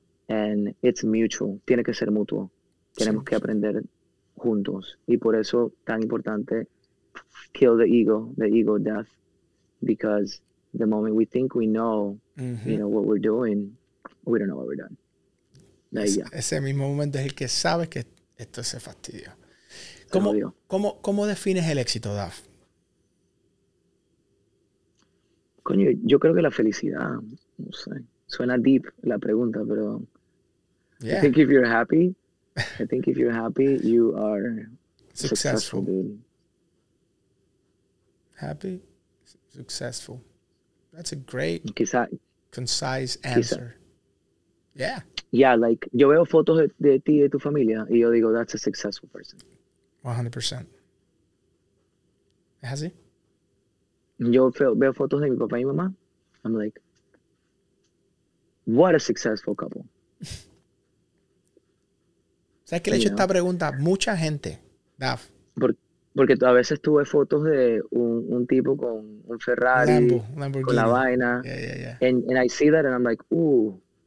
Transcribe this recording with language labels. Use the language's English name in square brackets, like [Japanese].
[English] And it's mutual. [Spanish] Tiene que ser mutuo. Tenemos que aprender juntos. Y por eso tan importante, [English] kill the ego death. Because the moment we think we know, mm-hmm. you know, what we're doing, we don't know what we're doing. [Spanish] Ese mismo momento es el que sabes que esto se fastidia. ¿Cómo defines el éxito, Dav? Coño, yo creo que la felicidad, no sé, suena deep la pregunta, pero yeah. [English] I think if you're happy, you are successful. Dude. Happy, successful. That's a great, concise answer. Yeah, [Spanish] like, yo veo fotos de ti y de tu familia, y yo digo, [English] that's a successful person. [Spanish] 100%. ¿Es así? Yo veo fotos de mi papá y mi mamá. [English] I'm like, what a successful couple. [Spanish] ¿Sabes qué le he hecho esta pregunta? Mucha gente, Dav. Porque a veces tuve fotos de un tipo con un Ferrari, Lamborghini, con la vaina. [English] Yeah. And I see that and I'm like, ooh.